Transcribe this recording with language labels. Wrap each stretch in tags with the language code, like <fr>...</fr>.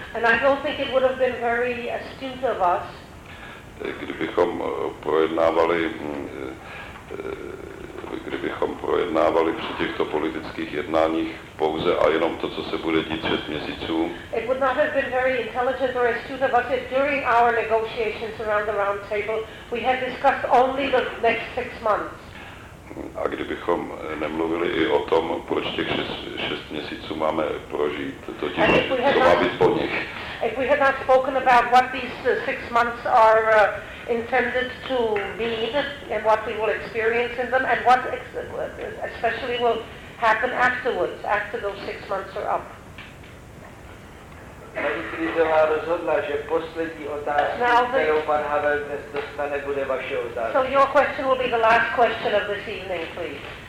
<en>And I don't think it would have been very astute of us.</en> <cs>Kdybychom projednávali při těchto politických jednáních pouze a jenom to, co se bude dít 6 měsíců.</cs> <en>It would not have been very intelligent or astute of us if during our negotiations around the round table we had discussed only the next 6 months.</en> <cs>A kdybychom nemluvili i o tom, proč těch 6 měsíců máme prožít, totiž co má být po nich.</cs> <en>If we had not spoken about what these 6 months are intended to mean and what we will experience in them and what especially will happen afterwards, after those 6 months are up.</en> <cs>Paní Krizová rozhodla, že poslední otázka, kterou pan Havel dnes dostane, bude vaše otázka.</cs> <en>So your question will be the last question of this evening, please.</en>